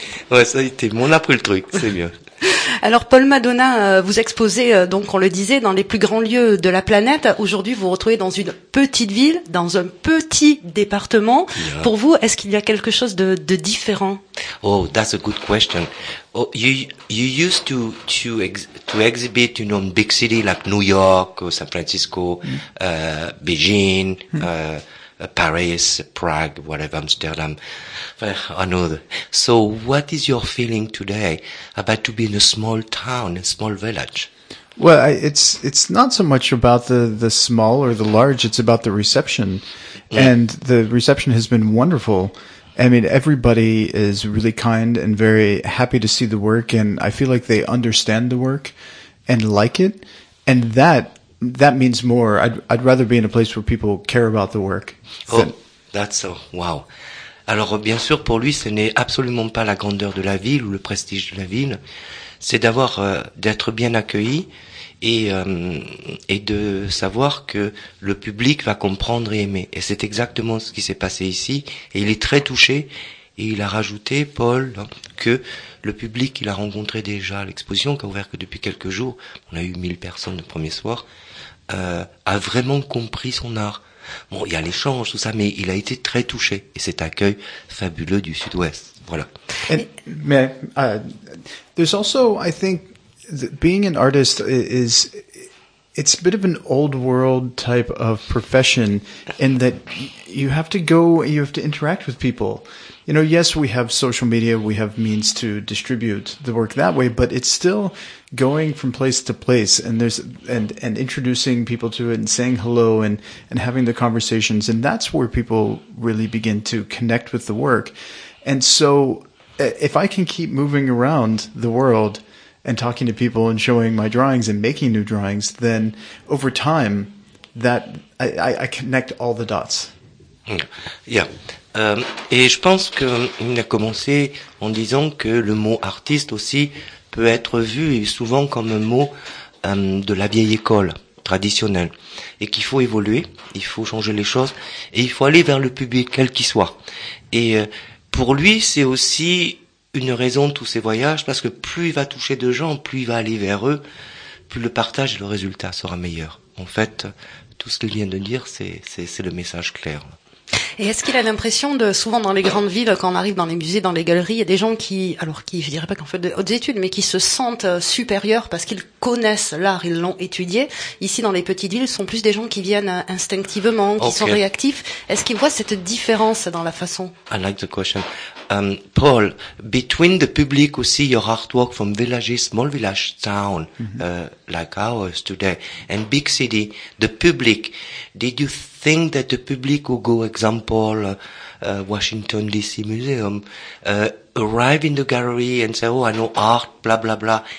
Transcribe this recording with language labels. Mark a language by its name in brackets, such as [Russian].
[French] Ouais, ça a été, on a pris le truc, c'est mieux. Alors, Paul Madonna, vous exposez, donc, on le disait, dans les plus grands lieux de la planète. Aujourd'hui, vous vous retrouvez dans une petite ville, dans un petit département. Yeah. Pour vous, est-ce qu'il y a quelque chose de différent? [English] Oh, that's a good question. Oh, you used to exhibit, you know, in big city like New York, San Francisco, Beijing, Paris, Prague, whatever, Amsterdam, another. So what is your feeling today about to be in a small town, a small village? Well, it's not so much about the small or the large, it's about the reception. Mm. And the reception has been wonderful. I mean, everybody is really kind and very happy to see the work, and I feel like they understand the work and like it. And that means more. I'd rather be in a place where people care about the work. Oh, that's so, wow. [French] Alors, bien sûr, pour lui, ce n'est absolument pas la grandeur de la ville ou le prestige de la ville. C'est d'être bien accueilli et de savoir que le public va comprendre et aimer. Et c'est exactement ce qui s'est passé ici. Et il est très touché. Et il a rajouté, Paul, que le public qu'il a rencontré déjà à l'exposition, qui a ouvert que depuis quelques jours, on a eu 1000 personnes le premier soir, a vraiment compris son art. Bon, il y a l'échange, tout ça, mais il a été très touché. Et cet accueil fabuleux du Sud-Ouest. Voilà. [English] Mais, there's also, I think, being an artist is, it's a bit of an old world type of profession in that you have to go, you have to interact with people. You know, yes, we have social media, we have means to distribute the work that way, but it's still going from place to place and there's, and introducing people to it and saying hello and having the conversations. And that's where people really begin to connect with the work. And so if I can keep moving around the world and talking to people and showing my drawings and making new drawings, then over time that I connect all the dots. Yeah. [French] Et je pense qu'il a commencé en disant que le mot artiste aussi peut être vu et souvent comme un mot de la vieille école traditionnelle et qu'il faut évoluer, il faut changer les choses et il faut aller vers le public quel qu'il soit. Et pour lui, c'est aussi une raison de tous ses voyages parce que plus il va toucher de gens, plus il va aller vers eux, plus le partage et le résultat sera meilleur. En fait, tout ce qu'il vient de dire, c'est le message clair. Et est-ce qu'il a l'impression de, souvent dans les grandes villes, quand on arrive dans les musées, dans les galeries, il y a des gens qui, alors qui, je dirais pas qu'en fait de hautes études, mais qui se sentent supérieurs parce qu'ils connaissent l'art, ils l'ont étudié. Ici, dans les petites villes, ce sont plus des gens qui viennent instinctivement, qui sont réactifs. Est-ce qu'il voit cette différence dans la façon? [English] I like the question. Paul, between the public who see your artwork from villages, small village town, like ours today, and big city, the public, did you think that the public who go, example, Washington DC Museum, arrive in the gallery and say, oh, I know art, blah, blah, blah.